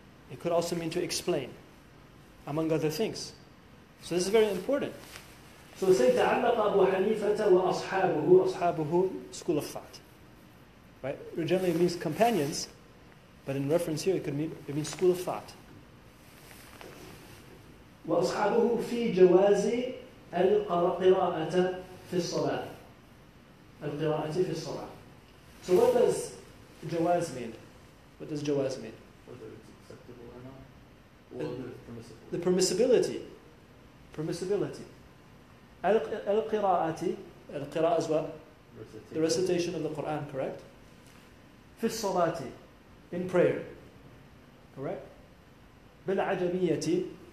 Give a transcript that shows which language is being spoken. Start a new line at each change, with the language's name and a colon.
English: It could also mean to explain, among other things. So this is very important. So say
Arabic: تعلق أبو حنيفة وأصحابه أصحابه
English: school of thought. Right? Generally it means companions, but in reference here it means school of thought.
Arabic: وأصحابه في جواز القراءة في الصلاة. القراءة في الصلاة.
English: So what does جواز mean? What does جواز mean? Whether it's acceptable or not. Whether it's permissible. The permissibility.
Arabic: القراءة.
English: القراءة is what? Recitation. The recitation of the Quran, correct?
Arabic: في الصلاة.
English: In prayer. Correct? بالعجمية.